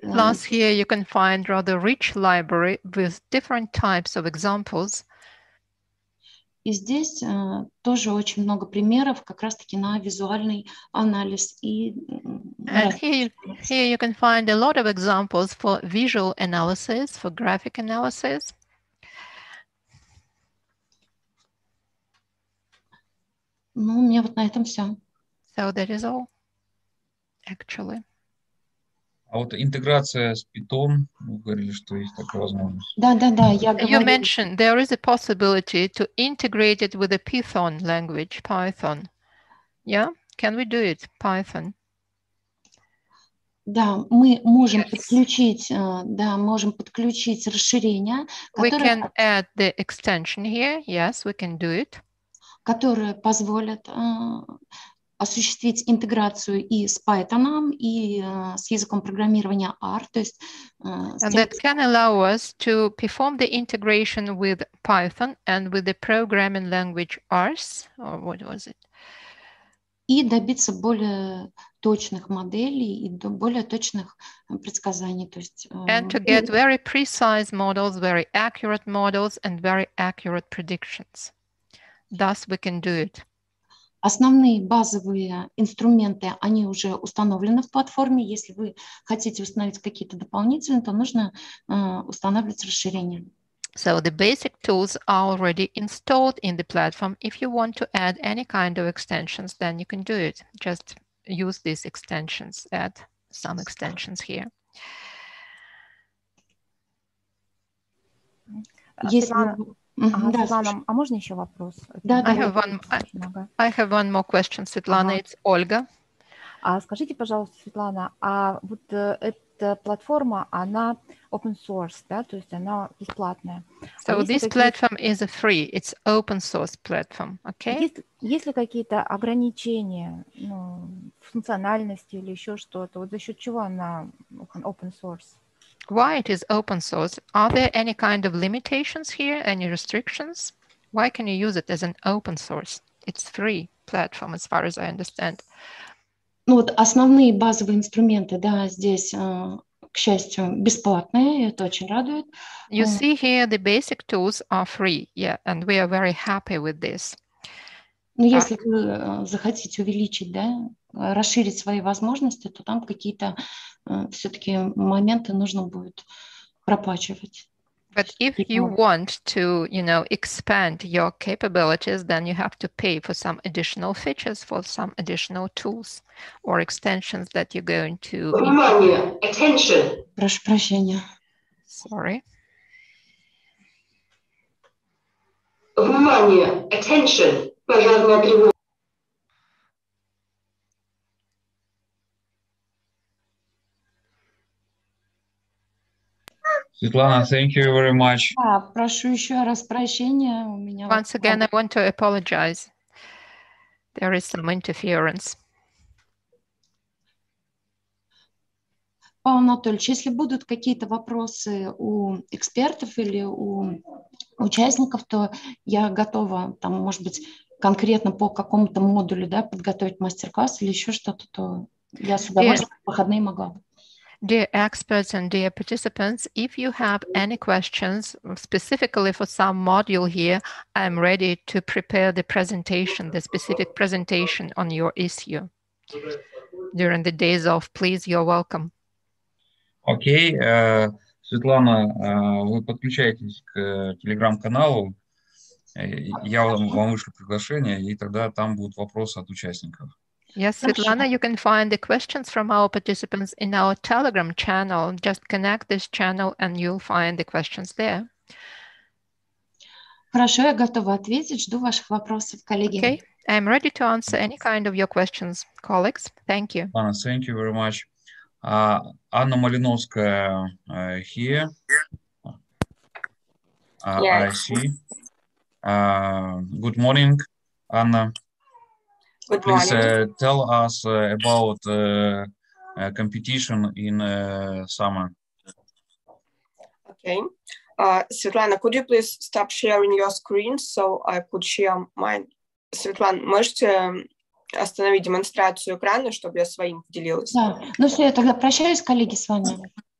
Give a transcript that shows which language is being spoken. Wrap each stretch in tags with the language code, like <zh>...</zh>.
<en>Plus here you can find rather rich library with different types of examples.</en> <ru>И здесь тоже очень много примеров как раз-таки на визуальный анализ. И,</ru> <en>here you can find a lot of examples for visual analysis, for graphic analysis.</en> <ru>Ну, у меня вот на этом все.</ru> <en>So that is all, actually.</en> <ru>А вот интеграция с Python, вы говорили, что есть такая возможность. Да, я говорю.</ru> <en>You mentioned there is a possibility to integrate it with a Python language, Python. Yeah? Can we do it, Python?</en> <ru>Да, мы можем подключить расширение.</ru> <en>We can add the extension here. Yes, we can do it.</en> <ru>Которое позволит... осуществить интеграцию и с Python, и с языком программирования R, то есть...</ru> <en>And that can allow us to perform the integration with Python and with the programming language Rs, or what was it?</en> <ru>И добиться более точных моделей и более точных предсказаний, то есть...</ru> <en>And to get very precise models, very accurate models and very accurate predictions. Thus we can do it.</en> <ru>Основные базовые инструменты, они уже установлены в платформе. Если вы хотите установить какие-то дополнительные, то нужно устанавливать расширение.</ru> <en>So the basic tools are already installed in the platform. If you want to add any kind of extensions, then you can do it. Just use these extensions, add some extensions here.</en> <ru>Светлана, а можно еще вопрос? Да,</ru> <en>I have one more question, Светлана, it's Ольга.</en> <ru>Скажите, пожалуйста, Светлана, а вот эта платформа, она open source, да, то есть она бесплатная.</ru> <en>So this platform is a free, it's open source platform, okay?</en> <ru>Есть ли какие-то ограничения, ну, функциональности или еще что-то? Вот за счет чего она open source?</ru> <en>Why it is open source? Are there any kind of limitations here, any restrictions? Why can you use it as an open source? It's free platform, as far as I understand.</en> <ru>Ну вот основные базовые инструменты, да, здесь, к счастью, бесплатные, это очень радует.</ru> <en>You see here the basic tools are free, yeah, and we are very happy with this.</en> <ru>Ну если вы захотите увеличить, да, расширить свои возможности, то там какие-то все-таки моменты нужно будет пропачивать.</ru> <en>But if you want to, you know, expand your capabilities, then you have to pay for some additional features, for some additional tools or extensions that you're going to...</en> <ru>Внимание!</ru> <en>Attention!</en> <ru>Прошу прощения.</ru> <en>Sorry.</en> <ru>Внимание!</ru> <en>Attention!</en> <ru>Пожарная тревога.</ru> <en>Светлана, thank you very much.</en> <ru>Да, прошу еще раз прощения. У меня...</ru> <en>Once again, I want to apologize. There is some interference.</en> <ru>Павел Анатольевич, если будут какие-то вопросы у экспертов или у участников, то я готова, там, может быть, конкретно по какому-то модулю, да, подготовить мастер-класс или еще что-то, то я с удовольствием в выходные могу.</ru> <en>Dear experts and dear participants, if you have any questions specifically for some module here, I'm ready to prepare the presentation, the specific presentation on your issue during the days off. Please, you're welcome.</en> <ru>Okay, Светлана, вы подключаетесь к телеграм-каналу. Я вам вышлю приглашение, и тогда там будут вопросы от участников.</ru> <en>Yes, Svetlana, you can find the questions from our participants in our Telegram channel. Just connect this channel and you'll find the questions there.</en> <ru>Хорошо, я готова ответить. Жду ваших вопросов, коллеги.</ru> <en>Okay, I'm ready to answer any kind of your questions, colleagues. Thank you. Anna, thank you very much. Anna Malinovskaya here. Yes. I see. Good morning, Anna. Good Please morning. Tell us about competition in summer. Okay. Svetlana, could you please stop sharing your screen so I could share mine?</en> <ru>Svetlana, можете остановить демонстрацию экрана, чтобы я своим поделилась? Да. Ну все, я тогда прощаюсь, коллеги, с вами.</ru>